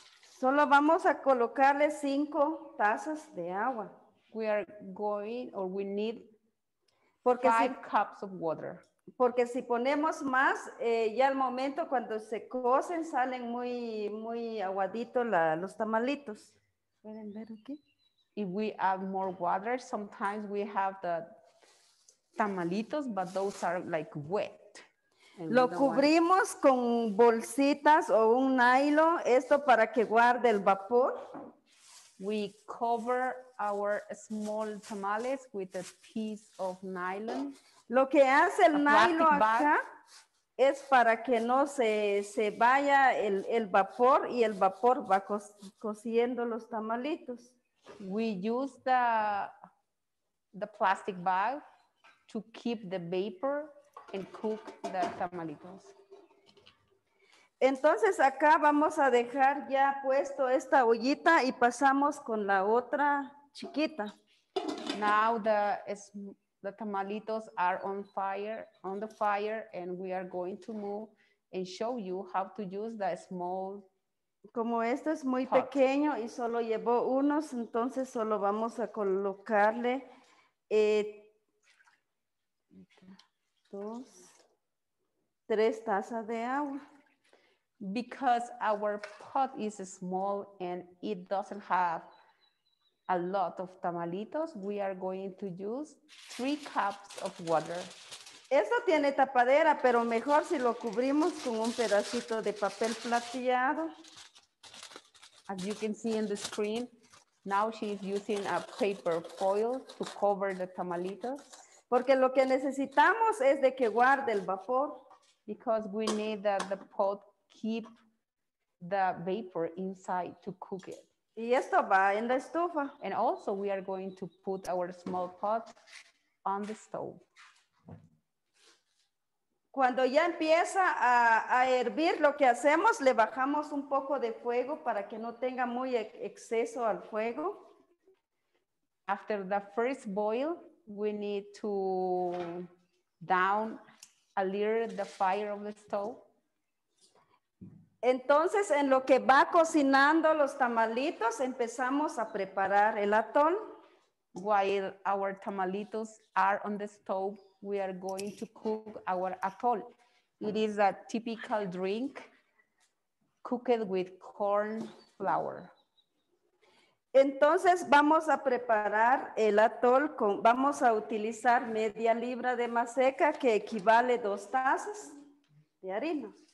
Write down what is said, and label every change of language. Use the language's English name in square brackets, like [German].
[Spanish] Solo vamos a colocarle 5 tazas de agua. [English] We are going, or we need 5 cups of water. [Spanish] Porque si ponemos más, ya al momento cuando se cocen salen muy, muy aguaditos los tamalitos. ¿Pueden ver aquí? [English] If we add more water, sometimes we have the tamalitos, but those are like wet. [Spanish] Lo cubrimos con bolsitas o un nylon, esto para que guarde el vapor. [English] We cover our small tamales with a piece of nylon. [Spanish] Lo que hace el nylon acá es para que no se vaya el vapor y el vapor va cociendo los tamalitos. [English] We use the plastic bag to keep the vapor and cook the tamalitos. [Spanish] Entonces acá vamos a dejar ya puesto esta ollita y pasamos con la otra chiquita. [English] Now the tamalitos are on the fire, and we are going to move and show you how to use the small. [Spanish] Como esto es muy pequeño y solo llevó unos, entonces solo vamos a colocarle 2-3 tazas de agua. [English] Because our pot is small and it doesn't have a lot of tamalitos, we are going to use 3 cups of water. [Spanish] Esto tiene tapadera, pero mejor si lo cubrimos con un pedacito de papel plateado. [English] As you can see in the screen, now she is using a paper foil to cover the tamalitos. [Spanish] Porque lo que necesitamos es de que guarde el vapor. [English] Because we need that the pot keep the vapor inside to cook it. [Spanish] Y esto va en la estufa. [English] And also we are going to put our small pot on the stove. [Spanish] Cuando ya empieza a hervir, lo que hacemos, le bajamos un poco de fuego para que no tenga muy exceso al fuego. [English] After the first boil, we need to down a little the fire of the stove. [Spanish] Entonces, en lo que va cocinando los tamalitos, empezamos a preparar el atol. [English] While our tamalitos are on the stove, we are going to cook our atol. It is a typical drink cooked with corn flour. [Spanish] Entonces vamos a preparar el atol con, vamos a utilizar media libra de maseca que equivale a 2 tazas de harina.